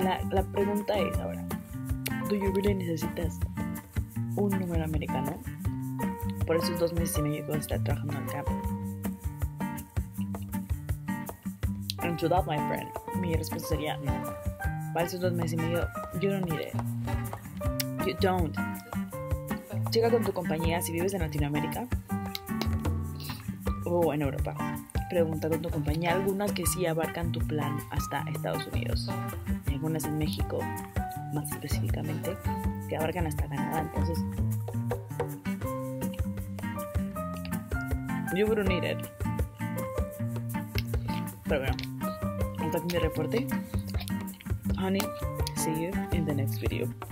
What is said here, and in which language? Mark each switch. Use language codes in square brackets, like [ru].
[es] La pregunta es ahora, [en] ¿do you really [es] necesitas un número americano por esos 2 meses y medio que vas a estar trabajando en el camp? [en] And to that, my friend, [es] mi respuesta sería no. Para esos 2 meses y medio, [en] you don't need it. You don't. [es] Llega con tu compañía si vives en Latinoamérica o en Europa. Pregunta con tu compañía, algunas que sí abarcan tu plan hasta Estados Unidos. Algunas en México, más específicamente, que abarcan hasta Canadá. Entonces, [en] you wouldn't need it. [es] Pero bueno, hasta aquí mi reporte. [en] Honey, see you in the next video.